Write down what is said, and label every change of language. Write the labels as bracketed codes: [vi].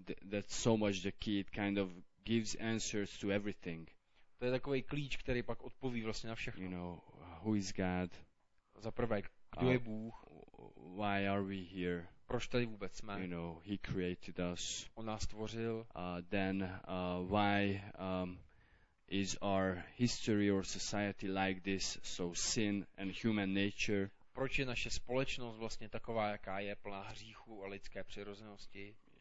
[en] That's so much the key, it kind of gives answers to everything. [cs] To je takový klíč, který pak odpoví vlastně na všechno. [en] You know, who is God? [cs] Za prvé, kdo je Bůh? [en] why are we here? [cs] Proč tady vůbec jsme? [en] You know, he created us. [cs] On nás stvořil. [en] Then why is our history or society like this? So sin and human nature. [cs] Proč je naše společnost vlastně taková, jaká je, plná hříchu a lidské přirozenosti?